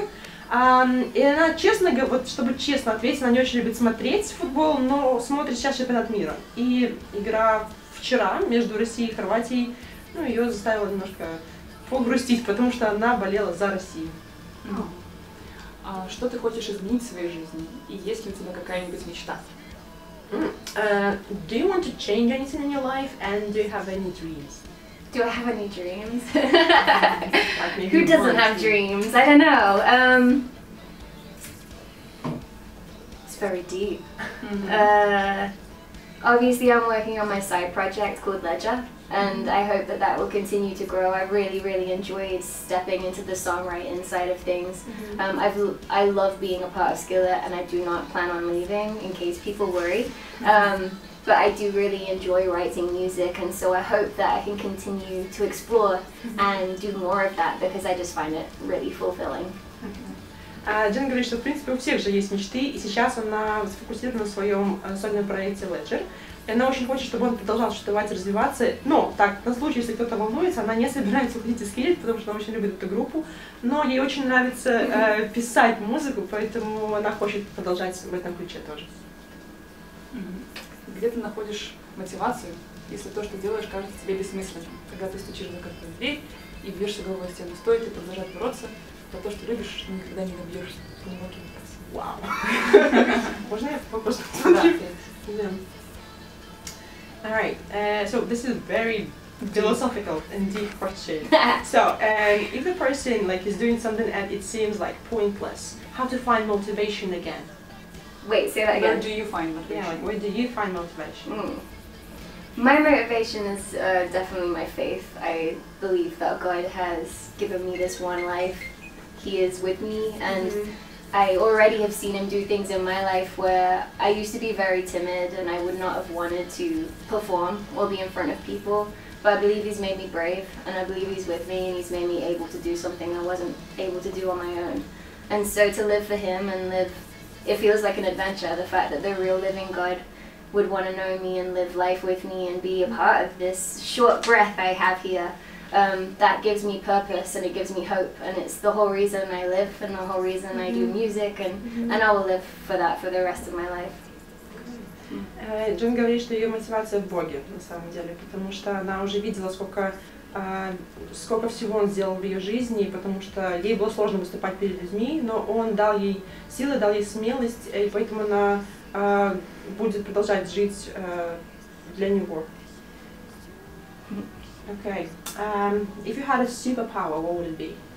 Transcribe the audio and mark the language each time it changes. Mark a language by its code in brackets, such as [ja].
[ru] И она честно говорит, вот чтобы честно ответить, она не очень любит смотреть футбол, но смотрит сейчас чемпионат мира. И игра... Вчера между Россией и Хорватией, ну, ее заставило немножко погрустить, потому что она болела за Россию. А что ты хочешь изменить в своей жизни? И есть ли у тебя какая-нибудь мечта? [en] Do you want to change anything in your life and do you have any dreams? Do Do I have any dreams? Who doesn't have dreams? I don't know. It's very deep. Mm-hmm. Obviously, I'm working on my side project called Ledger, and mm-hmm. I hope that will continue to grow. I really, really enjoyed stepping into the songwriting side of things. Mm-hmm. I love being a part of Skillet, and I do not plan on leaving, in case people worry. Mm-hmm. But I do really enjoy writing music, and so I hope that I can continue to explore mm-hmm. and do more of that, because I just find it really fulfilling. [ru] Джен говорит, что в принципе у всех же есть мечты, и сейчас она сфокусирована на своем сольном проекте Ledger. И она очень хочет, чтобы он продолжал существовать и развиваться. Но, так, на случай, если кто-то волнуется, она не собирается уходить из Skillet, потому что она очень любит эту группу. Но ей очень нравится писать музыку, поэтому она хочет продолжать в этом ключе тоже. Где ты находишь мотивацию, если то, что делаешь, кажется тебе бессмысленным? Когда ты стучишь на какую-то дверь и бьешься головой в стену, стоит ли продолжать бороться за то, что любишь, что никогда не добьешься? Ты не мог ей бороться. Вау! Можно я вопрос посмотрю? [en] Alright, so this is very philosophical and deep question. So, if a person like is doing something and it seems like pointless, how to find motivation again? Wait, say that again. Where do you find motivation? Yeah, like, where do you find motivation? My motivation is definitely my faith. I believe that God has given me this one life. He is with me, and mm-hmm. I already have seen Him do things in my life where I used to be very timid, and I would not have wanted to perform or be in front of people. But I believe He's made me brave, and I believe He's with me, and He's made me able to do something I wasn't able to do on my own. And so to live for Him and live, it feels like an adventure, the fact that the real living God would want to know me and live life with me and be a part of this short breath I have here. That gives me purpose and it gives me hope, and it's the whole reason I live and the whole reason mm-hmm. I do music, and mm-hmm. and I will live for that for the rest of my life. Джен говорит, что ее мотивация в Боге, на самом деле, потому что она уже видела, сколько всего Он сделал в ее жизни, потому что ей было сложно выступать перед людьми, но Он дал ей силы, дал ей смелость, и поэтому она будет продолжать жить для Него. Okay. If you had a superpower, what would it be?